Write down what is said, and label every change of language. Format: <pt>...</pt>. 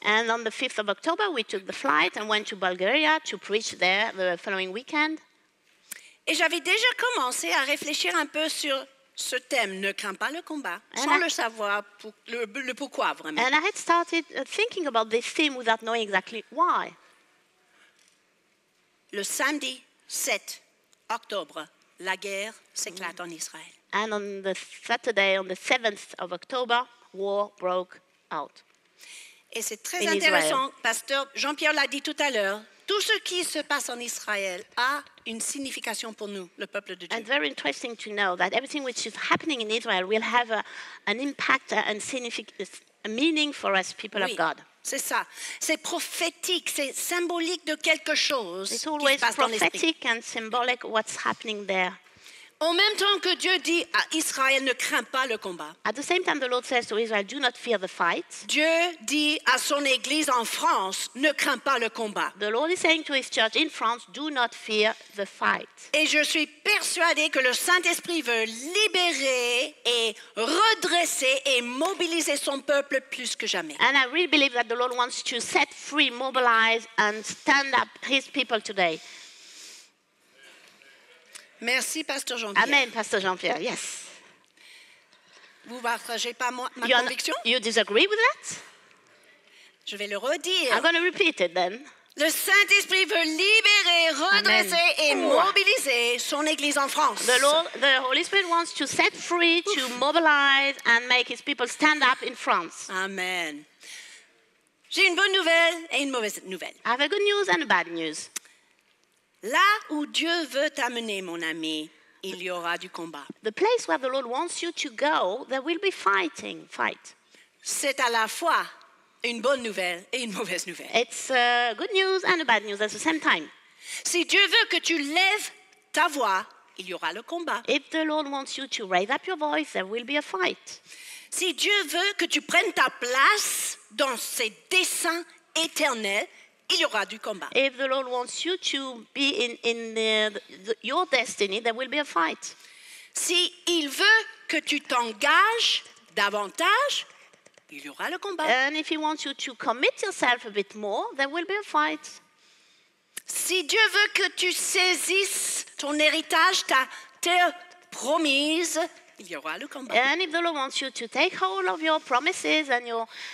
<en>And on the 5th of October, we took the flight and went to Bulgaria to preach there the following weekend.</en> <fr>Et j'avais déjà commencé à réfléchir un peu sur ce thème, ne crains pas le combat, sans savoir le pourquoi vraiment.</fr> <en>And I had started thinking about this theme without knowing exactly why.</en> <fr>Le samedi 7 octobre, la guerre s'éclate en Israël.</fr> <en>And on the Saturday, on the 7th of October, war broke out.</en> <fr>Et c'est très intéressant, Pasteur Jean-Pierre l'a dit tout à l'heure, tout ce qui se passe en Israël a une signification pour nous, le peuple de Dieu.</fr> <en>And very interesting to know that everything which is happening in Israel will have an impact and a meaning for us, people</en> <fr>oui,</fr> <en>of God.</en> <fr>C'est ça. C'est prophétique, c'est symbolique de quelque chose qui se passe dans l'esprit.</fr> <en>It's always prophetic and symbolic what's happening there.</en> <fr>En même temps que Dieu dit à Israël, ne crains pas le combat.</fr> <en>At the same time, the Lord says to Israel, do not fear the fight.</en> <fr>Dieu dit à son église en France, ne crains pas le combat.</fr> <en>The Lord is saying to his church in France, do not fear the fight.</en> <fr>Et je suis persuadée que le Saint-Esprit veut libérer et redresser et mobiliser son peuple plus que jamais.</fr> <en>And I really believe that the Lord wants to set free, mobilize and stand up his people today.</en> <fr>Merci, Pasteur Jean-Pierre.</fr> <en>Amen, Pasteur Jean-Pierre, yes.</en> <fr>Vous ne partagez pas ma conviction?</fr> <en>You disagree with that?</en> <fr>Je vais le redire.</fr> <en>I'm going to repeat it then.</en> <fr>Le Saint-Esprit veut libérer, redresser Amen. Et mobiliser son Église en France.</fr> <en>The Holy Spirit wants to set free, to mobilize and make his people stand up in France. Amen.</en> <fr>J'ai une bonne nouvelle et une mauvaise nouvelle.</fr> <en>I have a good news and a bad news.</en> <fr>Là où Dieu veut t'amener, mon ami, il y aura du combat.</fr> <en>The place where the Lord wants you to go, there will be fighting, fight.</en> <fr>C'est à la fois une bonne nouvelle et une mauvaise nouvelle.</fr> <en>It's good news and bad news at the same time.</en> <fr>Si Dieu veut que tu lèves ta voix, il y aura le combat.</fr> <en>If the Lord wants you to raise up your voice, there will be a fight.</en> <fr>Si Dieu veut que tu prennes ta place dans ses desseins éternels, il y aura du combat.</fr> <en>If the Lord wants you to be in your destiny, there will be a fight.</en> <fr>Si il veut que tu t'engages davantage, il y aura le combat.</fr> <en>And if he wants you to commit yourself a bit more, there will be a fight.</en> <fr>Si Dieu veut que tu saisisses ton héritage, ta terre promise, il y aura le combat.</fr> <en>And if the Lord wants you to take hold of your promises and your,</en>